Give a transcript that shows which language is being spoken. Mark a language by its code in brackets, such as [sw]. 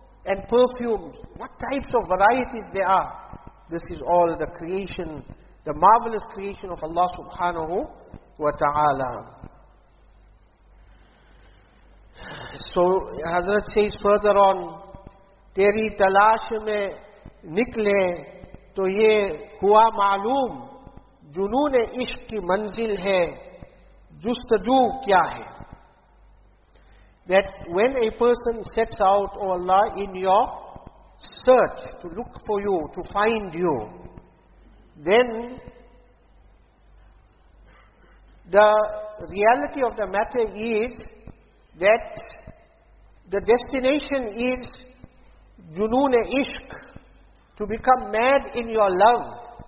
[en] And perfumes, what types of varieties there are. This is all the creation, the marvelous creation of Allah subhanahu wa ta'ala. So, Hazrat says further on, [ur] تیری تلاش میں نکلے تو یہ ہوا معلوم جنون عشق کی منزل ہے, جستجو کیا ہے. [en] That when a person sets out, O Allah, in your search to look for you, to find you, then the reality of the matter is that the destination is junoon-e-ishq, to become mad in your love.